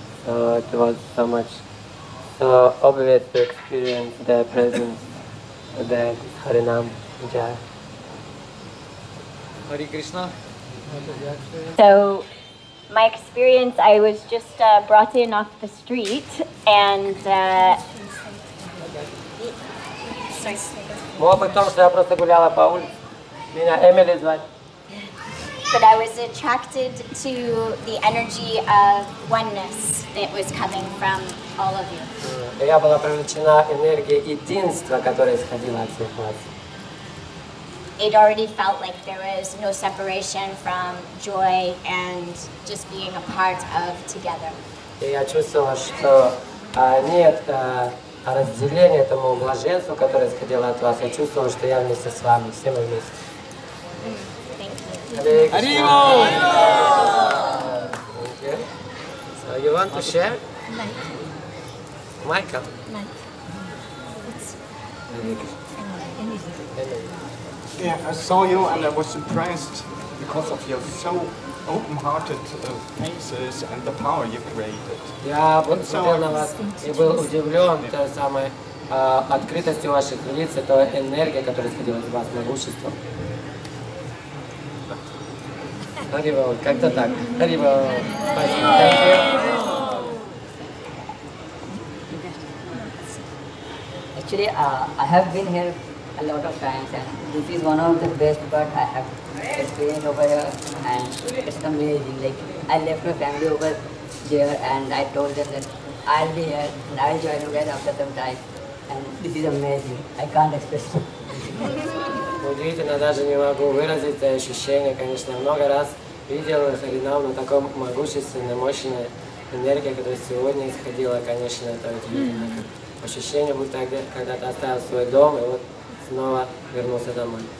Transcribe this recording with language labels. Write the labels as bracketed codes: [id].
[en] So it was so much so obvious to experience their presence, that Harinam Jaya. Hare Krishna. So my experience, I was just brought in off the street and [ru] Мог бы том, что я просто гуляла по улице. Меня Эмили звать. [en] But I was attracted to the energy of oneness that was coming from all of you. [ru] Я была привлечена энергией единства, которая исходила от всех вас. [en] It already felt like there was no separation from joy and just being a part of together. [ru] Я чувствовала, что нет разделения этому блаженству, которое исходило от вас. Я чувствовала, что я вместе с вами, все мы вместе. Аримо! [en] So you want to share? Майкл? Yeah, I saw you and I was impressed because of your so open-hearted faces and the power you created. [ru] Я посмотрел на вас и был удивлен той самой открытостью ваших лиц, той энергии, которая исходила из вас, могущество. Арива, как-то так. Арива, спасибо. [en] Actually, I have been here a lot of times, and this is one of the best part I have experienced over here, and it's amazing. Like, I left my family over here, and I told them that I'll be here, and I'll join you guys after some time, and this is amazing. I can't express it. [ru] Удивительно, даже не могу выразить это ощущение. Конечно, много раз видел Харинам на таком могущественной, мощной энергии, которая сегодня исходила, конечно, это удивительно. Ощущение, будто я когда-то оставил свой дом, и вот снова вернулся домой.